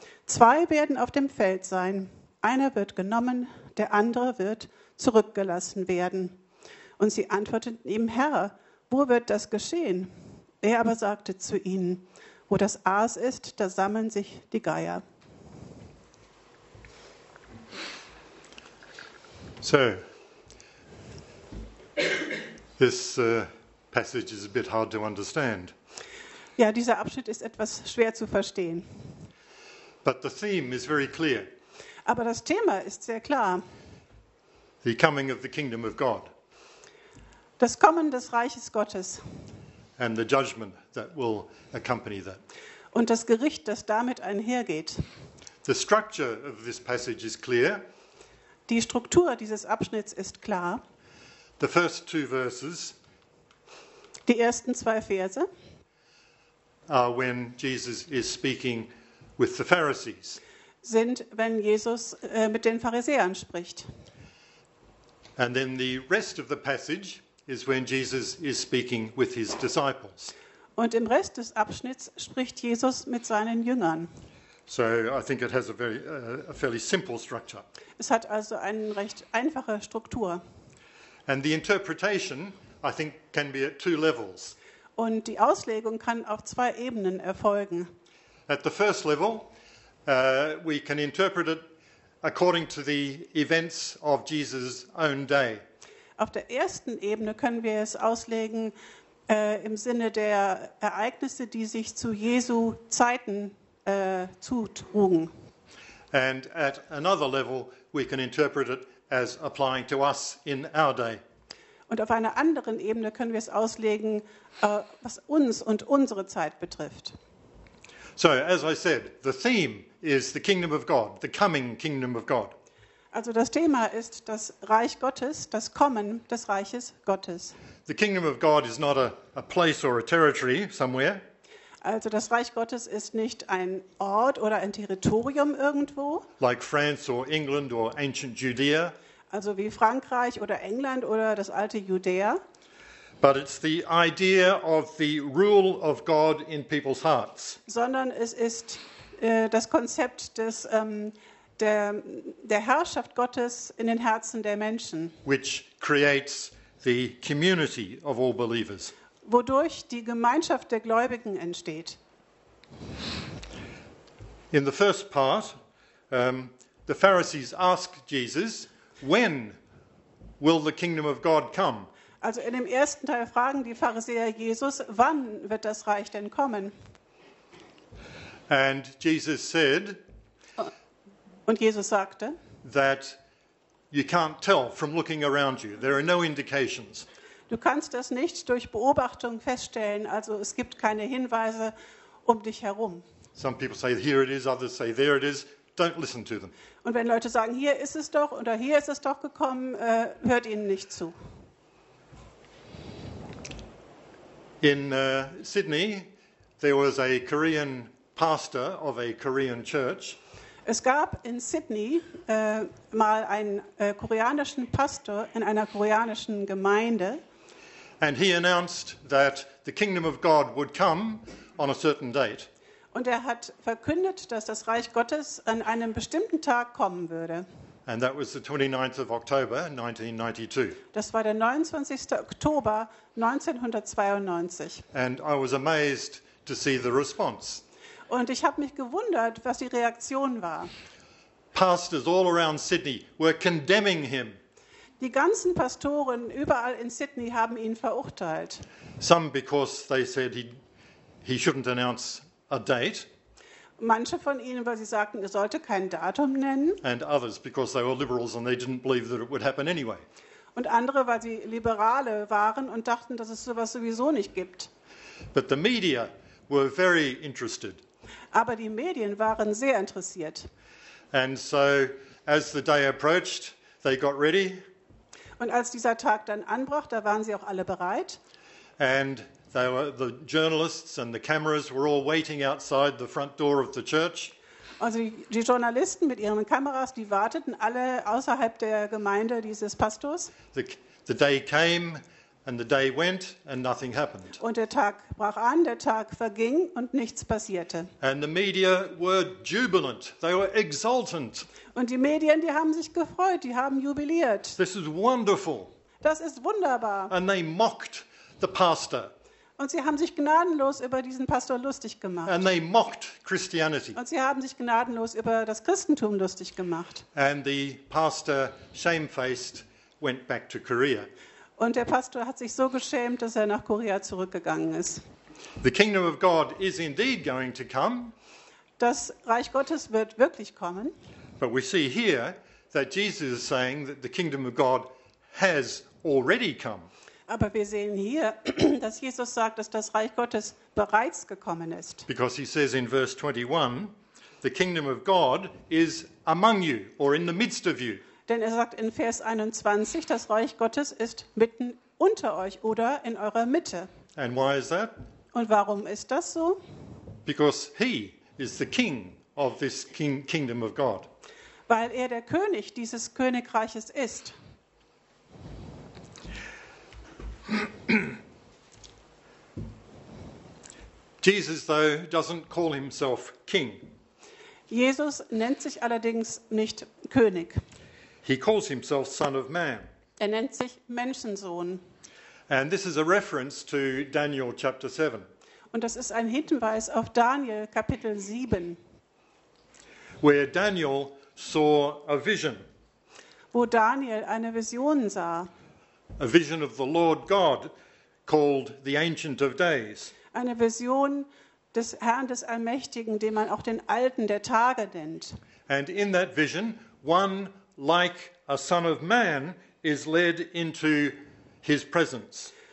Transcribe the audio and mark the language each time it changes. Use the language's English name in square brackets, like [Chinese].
[German] Zwei werden auf dem Feld sein, einer wird genommen, der andere wird zurückgelassen werden. Und sie antworteten ihm, Herr, wo wird das geschehen? Er aber sagte zu ihnen, wo das Aas ist, da sammeln sich die Geier. [English] So, this passage is a bit hard to understand. [German] Ja, dieser Abschnitt ist etwas schwer zu verstehen. [English] But the theme is very clear. [German] Aber das Thema ist sehr klar. [English] The coming of the kingdom of God. [German] Das Kommen des Reiches Gottes. [English] And the judgment that will accompany that. [German] Und das Gericht, das damit einhergeht. [English] The structure of this passage is clear. [German] Die Struktur dieses Abschnitts ist klar. [English] The first two verses. [German] Die ersten zwei Verse. [English] Are when Jesus is speaking with the Pharisees. [German] sind, wenn Jesus mit den Pharisäern spricht. [English] And then the rest of the passage is when Jesus is speaking with his disciples. [German] Und im Rest des Abschnitts spricht Jesus mit seinen Jüngern. [English] So I think it has a fairly simple structure. [German] Es hat also eine recht einfache Struktur. [English] And the interpretation, I think, can be at two levels. [German] Und die Auslegung kann auf zwei Ebenen erfolgen. [English] At the first level, we can interpret it according to the events of Jesus' own day. [German] Auf der ersten Ebene können wir es auslegen im Sinne der Ereignisse, die sich zu Jesu Zeiten zutrugen. [English] And at another level, we can interpret it as applying to us in our day. [German] Und auf einer anderen Ebene können wir es auslegen, was uns und unsere Zeit betrifft. [English] So, as I said, the theme is the kingdom of God, the coming kingdom of God. [German] Also das Thema ist das Reich Gottes, das Kommen des Reiches Gottes. [English] The kingdom of God is not a place or a territory somewhere. [German] Also das Reich Gottes ist nicht ein Ort oder ein Territorium irgendwo. [English] Like France or England or ancient Judea. [German] Also wie Frankreich oder England oder das alte Judäa. [English] But it's the idea of the rule of God in people's hearts. [German] Sondern es ist das Konzept des der Herrschaft Gottes in den Herzen der Menschen. [English] Which creates the community of all believers. [German] Wodurch die Gemeinschaft der Gläubigen entsteht. [English] In the first part, the Pharisees ask Jesus, when will the kingdom of God come? [German] Also in dem ersten Teil fragen die Pharisäer Jesus, wann wird das Reich denn kommen? [English] And Jesus said, [German] und Jesus sagte, [English] that you can't tell from looking around you. There are no indications. [German] Du kannst das nicht durch Beobachtung feststellen, also es gibt keine Hinweise um dich herum. [English] Some people say here it is, others say there it is. Don't listen to them. [German] Und wenn Leute sagen, hier ist es doch oder hier ist es doch gekommen, hört ihnen nicht zu. [English] In Sydney there was a Korean pastor of a Korean church. [German] Es gab in Sydney mal einen koreanischen Pastor in einer koreanischen Gemeinde. [English] And he announced that the kingdom of God would come on a certain date. [German] Und er hat verkündet, dass das Reich Gottes an einem bestimmten Tag kommen würde. [English] And that was the 29th of October 1992. [German] Das war der 29. Oktober 1992. [English] And I was amazed to see the response. [German] Und ich habe mich gewundert, was die Reaktion war. [English] Pastors all around Sydney were condemning him. [German] Die ganzen Pastoren überall in Sydney haben ihn verurteilt. [English] Some because they said he shouldn't announce a date. [German] Manche von ihnen, weil sie sagten, er sollte kein Datum nennen. [English] And others because they were liberals and they didn't believe that it would happen anyway. [German] Und andere, weil sie Liberale waren und dachten, dass es sowas sowieso nicht gibt. [English] But the media were very interested. [German] Aber die Medien waren sehr interessiert. [English] And so as the day approached, they got ready. [German] Und als dieser Tag dann anbrach, da waren sie auch alle bereit. [English] And they were, the journalists and the cameras were all waiting outside the front door of the church. [German] Also die Journalisten mit ihren Kameras, die warteten alle außerhalb der Gemeinde dieses Pastors. [English] The day came and the day went and nothing happened. [German] Und der Tag brach an, der Tag verging und nichts passierte. [English] And the media were jubilant. They were exultant. [German] Und die Medien, die haben sich gefreut, die haben jubiliert. [English] This is wonderful. [German] Das ist wunderbar. [English] And they mocked the pastor. [German] Und sie haben sich gnadenlos über diesen Pastor lustig gemacht. [English] And they mocked Christianity. [German] Und sie haben sich gnadenlos über das Christentum lustig gemacht. [English] And the pastor, shamefaced, went back to Korea. [German] Und der Pastor hat sich so geschämt, dass er nach Korea zurückgegangen ist. [English] The kingdom of God is indeed going to come. [German] Das Reich Gottes wird wirklich kommen. [English] But we see here that Jesus is saying that the kingdom of God has already come. [German] Aber wir sehen hier, dass Jesus sagt, dass das Reich Gottes bereits gekommen ist. [English] Because he says in verse 21, the kingdom of God is among you or in the midst of you. [German] Denn er sagt in Vers 21, das Reich Gottes ist mitten unter euch oder in eurer Mitte. [English] And why is that? [German] Und warum ist das so? [English] Because he is the king of this kingdom of God. [German] Weil er der König dieses Königreiches ist. [English] Jesus, though, doesn't call himself king. [German] Jesus nennt sich allerdings nicht König. [English] He calls himself Son of Man. [German] Er nennt sich Menschensohn. [English] And this is a reference to Daniel chapter 7. [German] Und das ist ein Hinweis auf Daniel Kapitel 7. [English] Where Daniel saw a vision. [German] Wo Daniel eine Vision sah. [English] A vision of the Lord God called the Ancient of Days. [German] Eine Vision des Herrn des Allmächtigen, den man auch den Alten der Tage nennt. [English] And in that vision, one like a son of man is led into his presence.